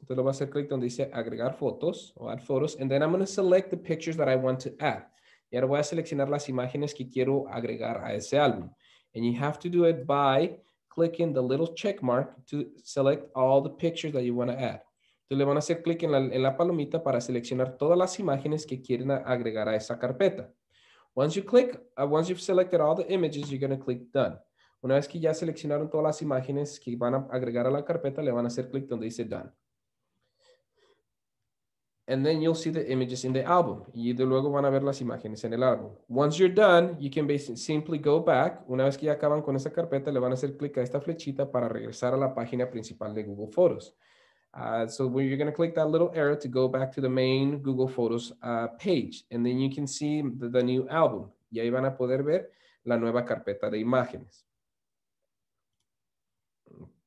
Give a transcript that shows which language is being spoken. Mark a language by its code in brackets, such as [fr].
[es] Entonces voy a hacer clic donde dice agregar fotos o add photos. [en] And then I'm going to select the pictures that I want to add. [es] Y ahora voy a seleccionar las imágenes que quiero agregar a ese álbum. [en] And you have to do it by clicking the little check mark to select all the pictures that you want to add. [es] Entonces le van a hacer clic en la palomita para seleccionar todas las imágenes que quieren agregar a esa carpeta. [en] Once you've selected all the images, you're going to click done. [es] Una vez que ya seleccionaron todas las imágenes que van a agregar a la carpeta, le van a hacer clic donde dice done. [en] And then you'll see the images in the album. [es] Y de luego van a ver las imágenes en el álbum. [en] Once you're done, you can basically simply go back. [es] Una vez que ya acaban con esa carpeta, le van a hacer clic a esta flechita para regresar a la página principal de Google Photos. [en] So when you're going to click that little arrow to go back to the main Google Photos page. And then you can see the new album. [es] Y ahí van a poder ver la nueva carpeta de imágenes.